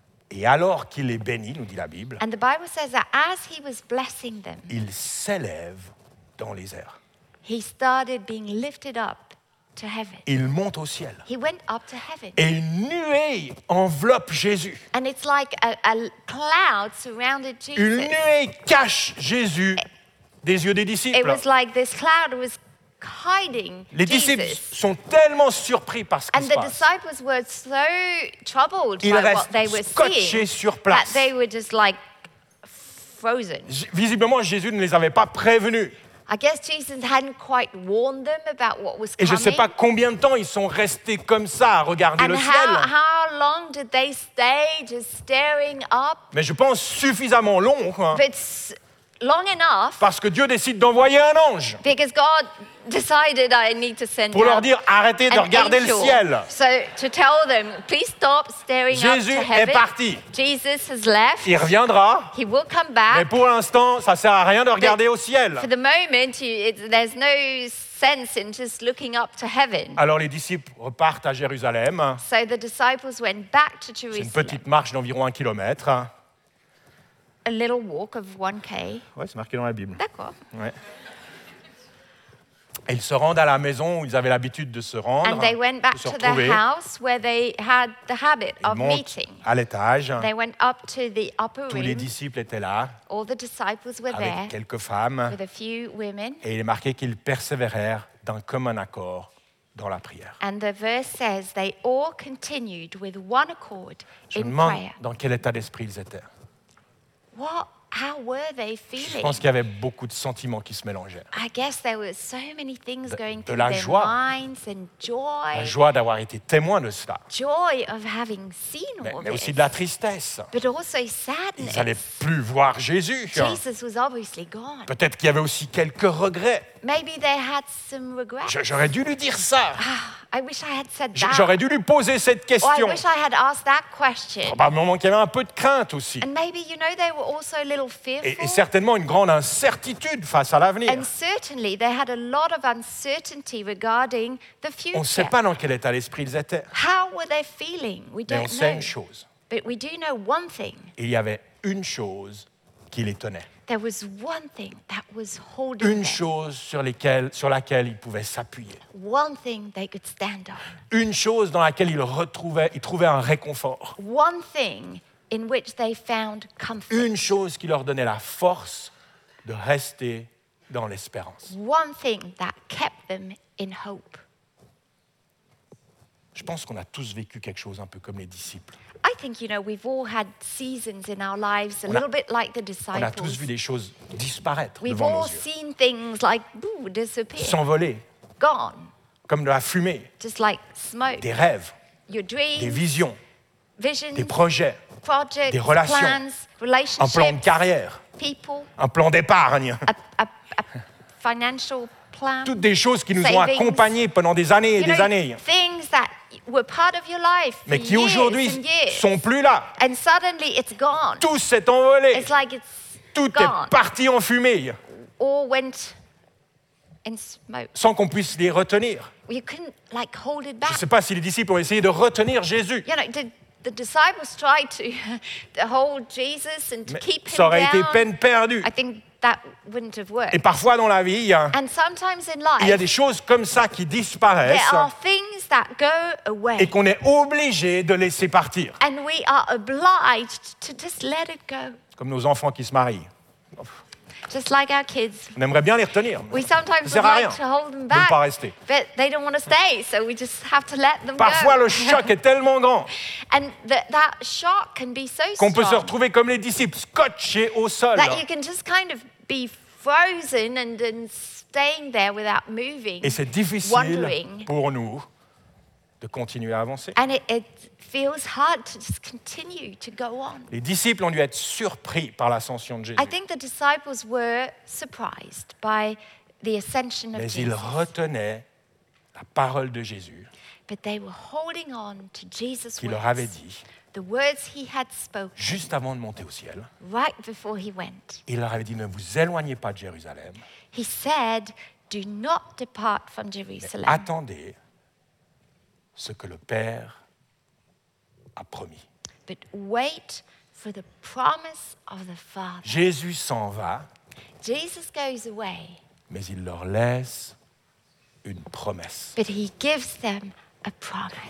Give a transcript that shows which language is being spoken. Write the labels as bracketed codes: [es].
[fr] Et alors qu'il les bénit, nous dit la Bible. [en] And the Bible says that as he was blessing them. [fr] Il s'élève dans les airs. [en] He started being lifted up to heaven. [fr] Il monte au ciel. [en] He went up to heaven. [fr] Et une nuée enveloppe Jésus. [en] And it's like a cloud surrounded Jesus. [fr] Une nuée cache Jésus des yeux des disciples. [en] It was like this cloud was hiding Jesus. [fr] Les disciples sont tellement surpris par ce [en] and [fr] qui se passe. [en] And the disciples were so troubled [fr] ils [en] by what they were seeing. [fr] Ils restent scotchés sur place. [en] That they were just like frozen. [fr] Visiblement, Jésus ne les avait pas prévenus. [en] I guess Jesus hadn't quite warned them about what was coming. [fr] Et je ne sais pas combien de temps ils sont restés comme ça à regarder [en] and [fr] le [en] how, [fr] ciel. [en] How long did they stay just staring up? [fr] Mais je pense suffisamment long. [en] Long enough. [fr] Parce que Dieu décide d'envoyer un ange. [en] Because God decided I need to send [fr] pour leur dire arrêtez de regarder [en] angel. [fr] Le ciel. [en] So to tell them, please stop staring [fr] Jésus [en] up to heaven. [fr] Est parti. [en] Jesus has left. [fr] Il reviendra. [en] He will come back. [fr] Mais pour l'instant, ça sert à rien de regarder [en] but [fr] au ciel. [en] For the moment, there's no sense in just looking up to heaven. [fr] Alors les disciples repartent à Jérusalem. [en] So the disciples went back to Jerusalem. [fr] C'est une petite marche d'environ un kilomètre. [en] A little walk of 1K. [fr] Ouais, c'est marqué dans la Bible. D'accord. Ouais. Et ils se rendent à la maison où ils avaient l'habitude de se rendre. [en] And they went back [fr] de [en] to their house where they had the habit of meeting. [fr] À l'étage. [en] They went up to the upper room. [fr] Tous les disciples étaient là. [en] All the disciples were [fr] avec [en] there. [fr] Avec quelques femmes. [en] With a few women. [fr] Et il est marqué qu'ils persévérèrent d'un commun accord dans la prière. [en] And the verse says they all continued with one accord [fr] je [en] in [fr] demande [en] prayer. [fr] Dans quel état d'esprit ils étaient. [en] How were they feeling? [fr] Je pense qu'il y avait beaucoup de sentiments qui se mélangeaient. [en] I guess there were so many things going through their [fr] joie. [en] Minds and joy. [fr] La joie d'avoir été témoin de cela. [en] Joy of having seen [fr] mais, [en] all [fr] mais aussi [en] this. [fr] De la tristesse. [en] But also sadness. [fr] Ils n'allaient plus voir Jésus. [en] Jesus was obviously gone. [fr] Peut-être qu'il y avait aussi quelques regrets. [en] Maybe they had some regrets. [fr] J'aurais dû lui dire ça. [en] I wish I had said that. [fr] J'aurais dû lui poser cette question. [en] Or I wish I had asked that question. [fr] Probablement qu'il y avait un peu de crainte aussi. [en] And maybe, you know, they were also a little fearful. [fr] Et certainement une grande incertitude face à l'avenir. [en] And certainly they had a lot of uncertainty regarding the future. [fr] On ne sait pas dans quel état d'esprit ils étaient. [en] How were they feeling? We don't know. [fr] Mais on sait une chose. [en] But we do know one thing. [fr] Il y avait une chose qui les tenait. [en] There was one thing that was holding [fr] une chose sur laquelle ils pouvaient s'appuyer. [en] One thing they could stand on. [fr] Une chose dans laquelle ils trouvaient un réconfort. [en] One thing in which they found comfort. [fr] Une chose qui leur donnait la force de rester dans l'espérance. [en] One thing that kept them in hope. [fr] Je pense qu'on a tous vécu quelque chose un peu comme les disciples. [en] I think, you know, we've all had seasons in our lives a little bit like the disciples. [fr] On a tous vu des choses disparaître [en] we've [fr] devant nos yeux. [en] We've all seen things like disappear. [fr] S'envoler. [en] Gone. [fr] Comme de la fumée. [en] Just like smoke. [fr] Des rêves. [en] Your dreams. [fr] Des visions. [en] Visions. [fr] Des projets. [en] Projects. [fr] Des relations. [en] Plans. Relationships. [fr] Un plan de carrière. [en] People. [fr] Un plan d'épargne. [en] A financial plan. [fr] Toutes des choses qui nous [en] savings. [fr] Ont accompagnés pendant des années et [en] you [fr] des [en] know, [fr] années. [en] Things that were part of your life [fr] mais qui [en] years [fr] aujourd'hui [en] and years. [fr] Sont plus là. [en] And suddenly it's gone. [fr] Tout s'est envolé. [en] It's like it's [fr] tout [en] gone. [fr] Est parti en fumée. [en] All went in smoke. [fr] Sans qu'on puisse les retenir. [en] You couldn't like hold it back. [fr] Je ne sais pas si les disciples ont essayé de retenir Jésus. [en] You know, the disciples tried to hold Jesus and to [fr] mais [en] keep him [fr] ça aurait [en] down. [fr] Été peine perdue. [en] I think that wouldn't have worked. [fr] Et parfois dans la vie, [en] and sometimes in life, [fr] il y a des choses comme ça qui disparaissent. [en] There are things that go away. [fr] Et qu'on est obligé de laisser partir. [en] And we are obliged to just let it go. [fr] Comme nos enfants qui se marient. [en] Just like our kids. [fr] On aimerait bien les retenir. [en] We sometimes [fr] sert à [en] like [fr] rien [en] to hold them back. [fr] De ne pas rester. [en] But they don't want to stay, so we just have to let them [fr] parfois [en] go. [fr] Le choc est tellement grand. [en] And that shock can be so [fr] qu'on [en] strong [fr] peut se retrouver comme les disciples scotchés au sol. [en] That you can just kind of be frozen and staying there without moving. [fr] Et c'est difficile [en] wondering [fr] pour nous de continuer à avancer. [en] And it feels hard to just continue to go on. [fr] Les disciples ont dû être surpris par l'ascension de Jésus. [en] I think the disciples were surprised by the ascension of Jesus. [fr] Mais ils retenaient la parole de Jésus. [en] But they were holding on to Jesus' words. [fr] Il leur avait dit. [en] The words he had spoken. [fr] Juste avant de monter au ciel. [en] Right before he went. [fr] Il leur avait dit ne vous éloignez pas de Jérusalem. [en] He said, do not depart from Jerusalem. [fr] Mais attendez ce que le Père a promis. [en] But wait for the promise of the Father. [fr] Jésus s'en va. [en] Jesus goes away. [fr] Mais il leur laisse une promesse. [en] But he gives them a promise.